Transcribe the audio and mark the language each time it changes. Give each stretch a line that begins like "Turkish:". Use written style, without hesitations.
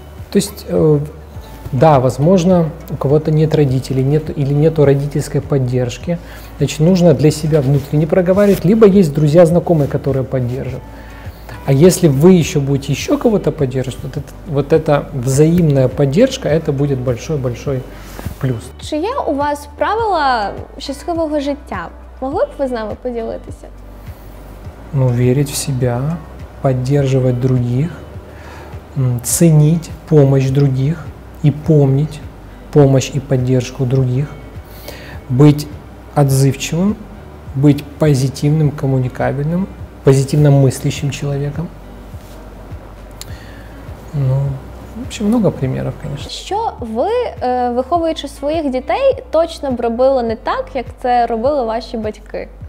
Russian: То есть, да, возможно, у кого-то нет родителей, нет или нету родительской поддержки. Значит, нужно для себя внутренне проговаривать, либо есть друзья, знакомые, которые поддержат. А если вы еще будете еще кого-то поддерживать, вот эта взаимная поддержка, это будет большой-большой плюс.
Ukrainian: Чи є у вас правила щасливого життя? Могли б ви з нами поділитися?
Russian: Ну, верить в себя, поддерживать других, ценить помощь других и помнить помощь и поддержку других, быть отзывчивым, быть позитивным, коммуникабельным, позитивно мыслящим человеком. Ну, в общем, много примеров, конечно.
Ukrainian: Що ви, виховуючи своїх дітей, точно б робили не так, як це робили ваші батьки?